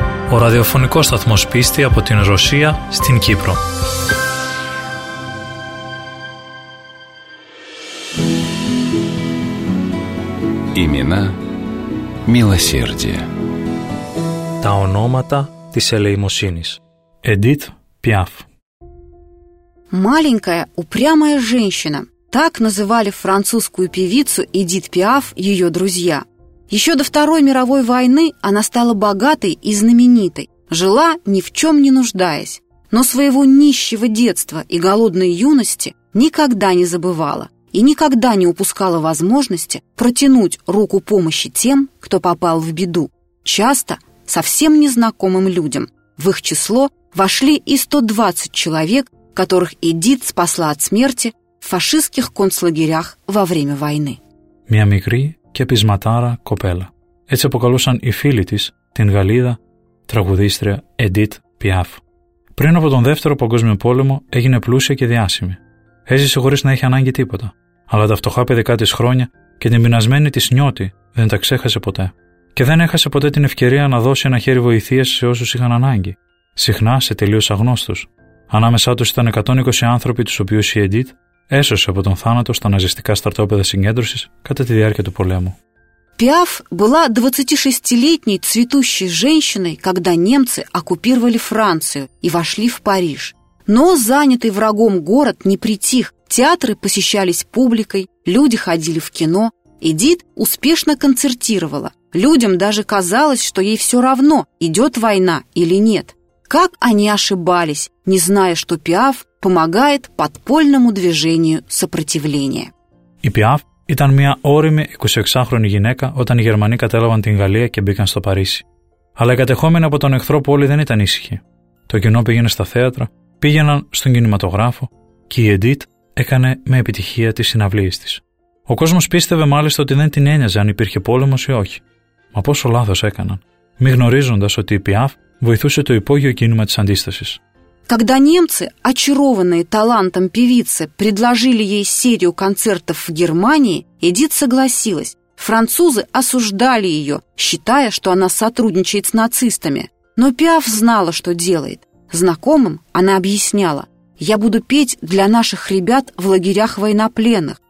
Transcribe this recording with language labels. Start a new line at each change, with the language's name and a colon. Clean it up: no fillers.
Greek: Ο ραδιοφωνικός σταθμός Πίστη από την Ρωσία στην Κύπρο.
Russian: Имена милосердия.
Greek: Τα ονόματα της ελεημοσύνης.
Russian: Эдит Пиаф. Маленькая упрямая женщина. Так называли французскую певицу Эдит Пиаф ее друзья. Еще до Второй мировой войны она стала богатой и знаменитой, жила ни в чем не нуждаясь. Но своего нищего детства и голодной юности никогда не забывала и никогда не упускала возможности протянуть руку помощи тем, кто попал в беду. Часто совсем незнакомым людям. В их число вошли и 120 человек, которых Эдит спасла от смерти в фашистских концлагерях во время войны.
Greek: Миамикри και πεισματάρα κοπέλα. Έτσι αποκαλούσαν οι φίλοι της την Γαλλίδα τραγουδίστρια Edith Piaf. Πριν από τον Δεύτερο Παγκόσμιο Πόλεμο έγινε πλούσια και διάσημη. Έζησε χωρίς να έχει ανάγκη τίποτα. Αλλά τα φτωχά παιδικά της χρόνια και την πεινασμένη της νιώτη δεν τα ξέχασε ποτέ. Και δεν έχασε ποτέ την ευκαιρία να δώσει ένα χέρι βοηθείας σε όσους είχαν ανάγκη. Συχνά σε τελείως αγνώστους. Ανάμεσά τους ήταν 120 άνθρωποι, τους οποίους η Edith έσωσε από τον θάνατο στα ναζιστικά στρατόπεδα συγκέντρωσης κατά τη διάρκεια του πολέμου.
Russian: Пиаф была 26-летней цветущей женщиной, когда немцы оккупировали Францию и вошли в Париж. Но занятый врагом город не притих. Театры посещались публикой, люди ходили в кино. Эдит успешно концертировала. Людям даже казалось, что ей все равно, идет война или нет. Как они ошибались, не зная, что Пиаф помогает подпольному движению сопротивления.
Greek: Η Пиаф ήταν μια όρημη 26χρονη γυναίκα όταν οι Γερμανοί κατέλαβαν την Γαλλία και μπήκαν στο Παρίσι. Αλλά οι κατεχόμενοι από τον εχθρό πόλη δεν ήταν ήσυχοι. Το κοινό πήγαινε στα θέατρα, πήγαιναν στον κινηματογράφο και η Edith έκανε με επιτυχία τις συναυλίες της. Ο κόσμος πίστευε μάλιστα ότι δεν την ένοιαζε αν υπήρχε πόλεμος ή όχι. Μα πόσο λάθος έκαναν, μη γνωρίζοντας ότι η Πιάφ βοηθούσε το υπόγειο κίνημα της αντίστασης.
Russian: Когда немцы, очарованные талантом певицы, предложили ей серию концертов в Германии, Эдит согласилась. Французы осуждали ее, считая, что она сотрудничает с нацистами. Но Пиаф знала, что делает. Знакомым она объясняла: «Я буду петь для наших ребят в лагерях военнопленных.